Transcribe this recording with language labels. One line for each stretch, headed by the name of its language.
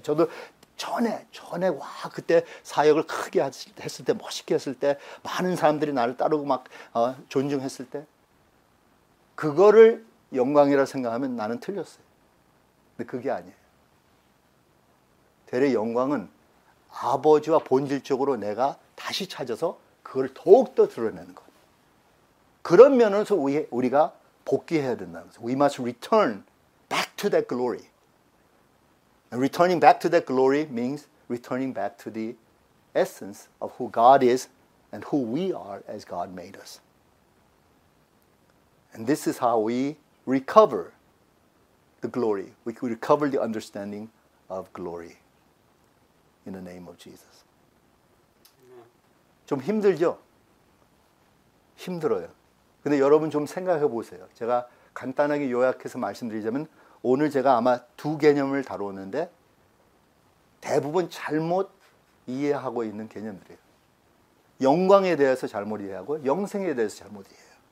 Korean: 저도 전에 와 그때 사역을 크게 했을 때 멋있게 했을 때 많은 사람들이 나를 따르고 막 존중했을 때 그거를 영광이라 생각하면 나는 틀렸어요. 근데 그게 아니에요. 대략 영광은 아버지와 본질적으로 내가 다시 찾아서 그걸 더욱더 드러내는 것. 그런 면에서 우리가 복귀해야 된다는 거죠.
English: We must return back to that glory. And returning back to that glory means returning back to the essence of who God is and who we are as God made us. And this is how we recover the glory. We recover the understanding of glory in the name of Jesus.
Korean: 좀 힘들죠? 힘들어요. 근데 여러분 좀 생각해 보세요. 제가 간단하게 요약해서 말씀드리자면 오늘 제가 아마 두 개념을 다루었는데 대부분 잘못 이해하고 있는 개념들이에요. 영광에 대해서 잘못 이해하고 영생에 대해서 잘못 이해해요.